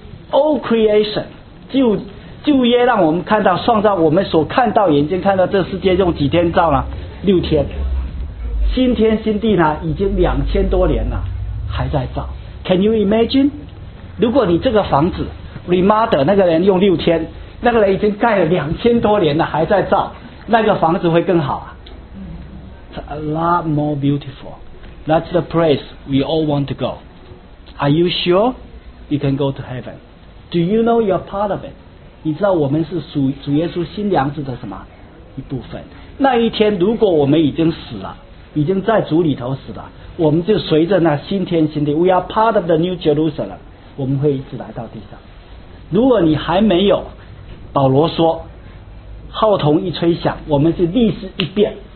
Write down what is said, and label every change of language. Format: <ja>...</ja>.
<en>old creation</en> <zh>旧约让我们看到创造，我们所看到眼睛看到这世界用几天造呢？6天。新天新地呢已经2000多年了还在造。</zh> <en>Can you imagine</en> <zh>如果你这个房子 remodel 那个人用6天，那个人已经盖了2000多年了还在造，那个房子会更好啊。</zh> <en>It's a lot more beautiful. That's the place we all want to go. Are you sure you can go to heaven? Do you know you're part of it?</en> <zh>你知道我们是主耶稣新娘子的什么一部分。那一天如果我们已经死了，已经在主里头死了，我们就随着那新天新地</zh> <en>We are part of the new Jerusalem，</en> <zh>我们会一直来到地上。如果你还没有，保罗说号筒一吹响，我们是立时一变。</zh>